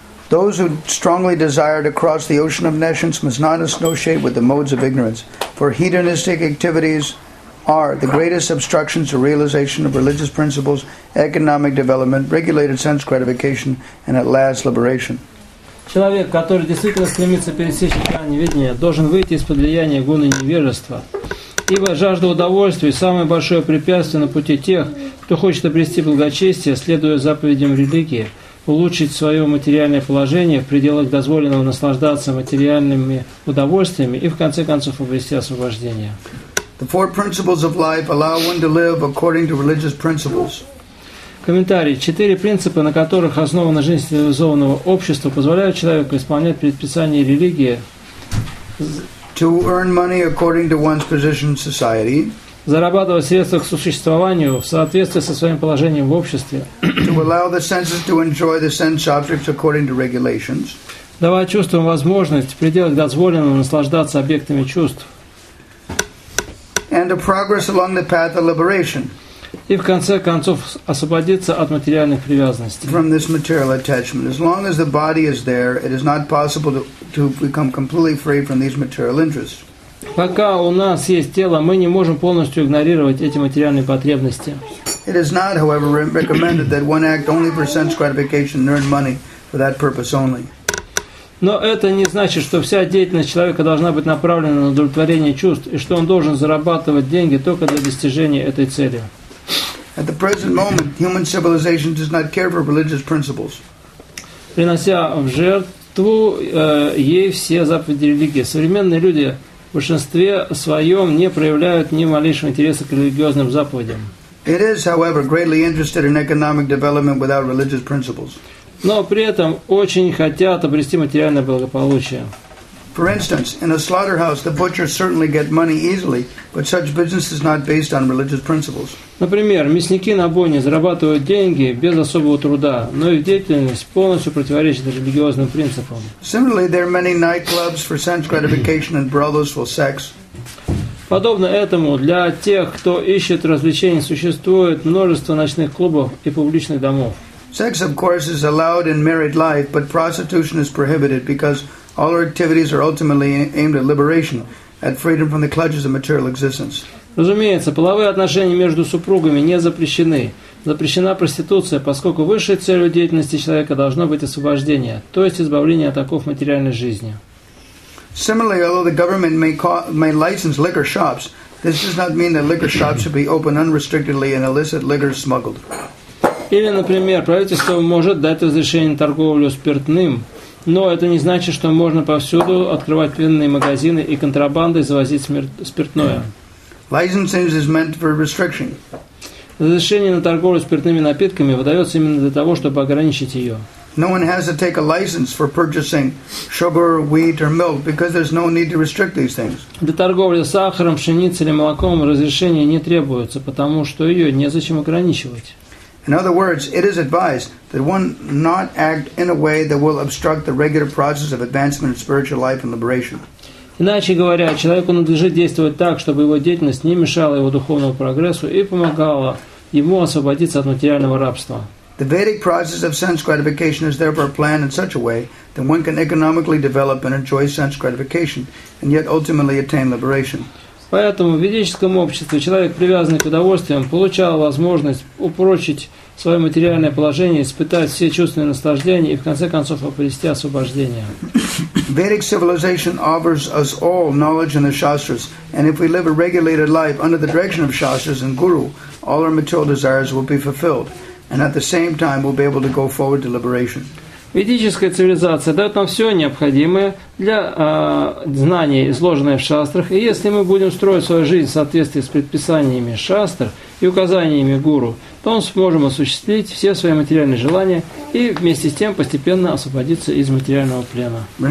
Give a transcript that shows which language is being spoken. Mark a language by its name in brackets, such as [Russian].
[English] Those who strongly desire to cross the ocean of nations must not associate with the modes of ignorance, for hedonistic activities are the greatest obstructions to realization of religious principles, economic development, regulated sense gratification, and at last liberation. [Russian] Человек, который действительно стремится пересечь океан неведения, должен выйти из-под влияния гуны невежества, ибо жажда удовольствия – самое большое препятствие на пути тех, кто хочет обрести благочестие, следуя заповедям религии, улучшить свое материальное положение в пределах дозволенного наслаждаться материальными удовольствиями и в конце концов обрести освобождение. [English] The four principles of life allow one to live according to religious principles. [Russian] Комментарий. Четыре принципа, на которых основана жизнь цивилизованного общества, позволяют человеку исполнять предписания религии. [English] To earn money according to one's position in society. [Russian] Зарабатывать средства к существованию в соответствии со своим положением в обществе. [English] To allow the senses to enjoy the sense objects according to regulations. [Russian] Давать чувствам возможность в пределах дозволенного наслаждаться объектами чувств. [English] And to progress along the path of liberation. [Russian] И в конце концов освободиться от материальных привязанностей. [English] From this material attachment. As long as the body is there, it is not possible to become completely free from these material interests. [Russian] Пока у нас есть тело, мы не можем полностью игнорировать эти материальные потребности. [English] It is not, however, recommended that one act only for sense gratification and earn money for that purpose only. [Russian] Но это не значит, что вся деятельность человека должна быть направлена на удовлетворение чувств и что он должен зарабатывать деньги только для достижения этой цели. [English] At the present moment, human civilization does not care for religious principles. [Russian] принося в жертву ей все заповеди религии. Современные люди в большинстве своем не проявляют ни малейшего интереса к религиозным заповедям. [English] It is, however, greatly interested in economic development without religious principles. [Russian] Но при этом очень хотят обрести материальное благополучие. [English] For instance, in a slaughterhouse, the butchers certainly get money easily, but such business is not based on religious principles. [Russian] Например, мясники на бойне зарабатывают деньги без особого труда, но их деятельность полностью противоречит религиозным принципам. [English] Similarly, there are many nightclubs for sense gratification and brothels for sex. [Russian] Подобно этому, для тех, кто ищет развлечений, существует множество ночных клубов и публичных домов. [English] Sex, of course, is allowed in married life, but prostitution is prohibited because all our activities are ultimately aimed at liberation, at freedom from the clutches of material existence. [Russian] Разумеется, половые отношения между супругами не запрещены. Запрещена проституция, поскольку высшей целью деятельности человека должно быть освобождение, то есть избавление от оков материальной жизни. [English] Similarly, although the government may license liquor shops, this does not mean that liquor shops should be open unrestrictedly and illicit liquor smuggled. [Russian] Или, например, правительство может дать разрешение на торговлю спиртным, но это не значит, что можно повсюду открывать винные магазины и контрабандой завозить спиртное. [English] Licensing is meant for restriction. [Russian] Разрешение на торговлю спиртными напитками выдается именно для того, чтобы ограничить ее. [English] No one has to take a license for purchasing sugar, wheat, or milk because there's no need to restrict these things. [Russian] Для торговли сахаром, пшеницей или молоком разрешение не требуется, потому что ее незачем ограничивать. [English] In other words, it is advised that one not act in a way that will obstruct the regular process of advancement in spiritual life and liberation. [Russian] Иначе говоря, человеку надлежит действовать так, чтобы его деятельность не мешала его духовному прогрессу и помогала ему освободиться от материального рабства. [English] The Vedic process of sense gratification is therefore planned in such a way that one can economically develop and enjoy sense gratification and yet ultimately attain liberation. [Russian] Поэтому в ведическом обществе человек, привязанный к удовольствиям, получал возможность упрочить свое материальное положение, испытать все чувственные наслаждения и, в конце концов, обрести освобождение. [English] Vedic civilization offers us all knowledge in the Shastras, and if we live a regulated life under the direction of Shastras and Guru, all our material desires will be fulfilled, and at the same time we'll be able to go forward to liberation. [Russian] Ведическая цивилизация дает нам все необходимое для знаний, изложенных в шастрах, и если мы будем строить свою жизнь в соответствии с предписаниями шастр и указаниями гуру, то мы сможем осуществить все свои материальные желания и вместе с тем постепенно освободиться из материального плена.